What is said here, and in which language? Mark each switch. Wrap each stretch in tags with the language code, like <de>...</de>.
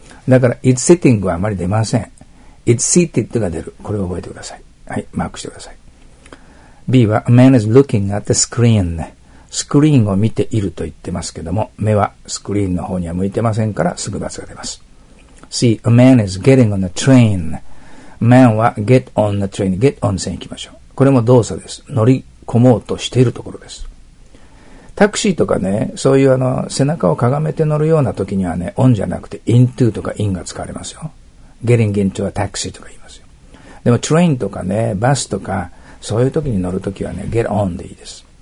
<ja>だから、</ja> <en>is sitting</en> <ja>はあまり出ません。</ja> <en>is seated</en> <ja>が出る。これを覚えてください。はい、マークしてください。 B は、</ja> <en>a man is looking at the screen ね。</en> <ja>スクリーンを見ていると言ってますけども、目はスクリーンの方には向いてませんから、すぐ罰が出ます。</ja> <en>C, a man is getting on the train.</en> <ja>Man は</ja> <en>get on the train. Get on</en> <ja>線行きましょう。これも動作です。乗り込もうとしているところです。タクシーとかね、そういう背中をかがめて乗るような時にはね、on じゃなくて into とか in が使われますよ。</ja> <en>Getting into a taxi</en> <ja>とか言いますよ。でも train とかね、バスとか、そういう時に乗る時はね、</ja> <en>get on</en> <ja>でいいです。</ja>